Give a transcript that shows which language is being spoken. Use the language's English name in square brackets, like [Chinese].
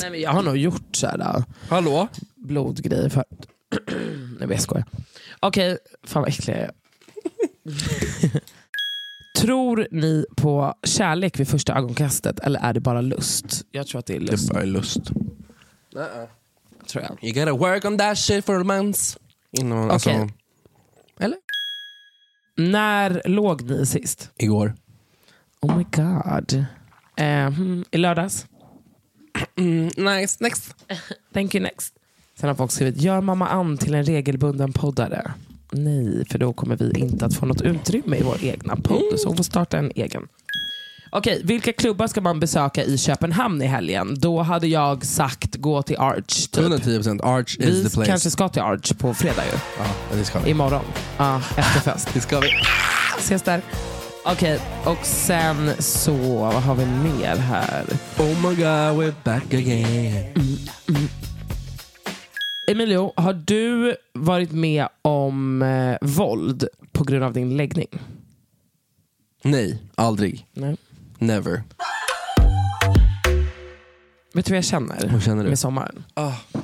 [Swedish] Nej, men jag har nog gjort sådär. Hallå? Blodgrejer för... Nej, men jag skojar. Okej, fan vad äcklig jag är. Tror ni på kärlek vid första ögonkastet eller är det bara lust? Jag tror att det är lust. Det är bara lust. Nej. Tror jag. [English] You gotta work on that shit for romance. No, okay. [Swedish] Alltså. Eller? När låg ni sist? Igår. [English] Oh my god. [Swedish] I lördags? [English] Nice, next. Thank you, next. [Swedish] Sen har folk skrivit, gör mamma Ann till en regelbunden poddare? Nej, för då kommer vi inte att få något utrymme i vår egna podd. Så hon får starta en egen. Okej, vilka klubbar ska man besöka i Köpenhamn i helgen? Då hade jag sagt gå till Arch. Typ. [English] 110%, Arch is [Swedish] vi [English] the place. [Swedish] Vi kanske ska till Arch på fredag ju. Ja, det ska vi. Imorgon, efter fest. Det ska vi. Ses där. Okej, och sen så, vad har vi mer här? [English] Oh my god, we're back again. [Swedish] Emilio, har du varit med om våld på grund av din läggning? Nej, aldrig. Nej. [English] Never. [Swedish] Vet du vad jag känner? Hur känner du? Med sommaren. Oh.